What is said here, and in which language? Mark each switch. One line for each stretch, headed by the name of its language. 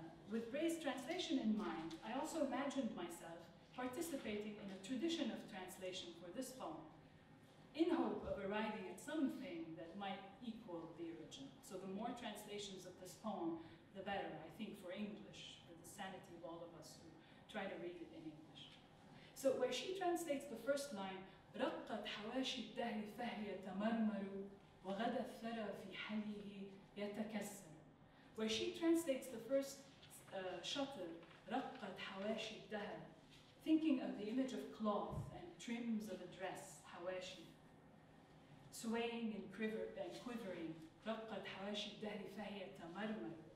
English: With Bray's translation in mind, I also imagined myself participating in a tradition of translation for this poem, in hope of arriving at something that might equal the original. So the more translations of this poem, the better, I think, for English, for the sanity of all of us who try to read it in English. So where she translates the first line,
Arabic: رقت حواشي الدهر فهي تمرمر وغدا الثرى في حله يتكسر.
English: Where she translates the first shatr, رقت حواشي الدهر, thinking of the image of cloth and trims of a dress, حواشي, swaying and quivering,
Arabic: رقت حواشي الدهر فهي تمرمر.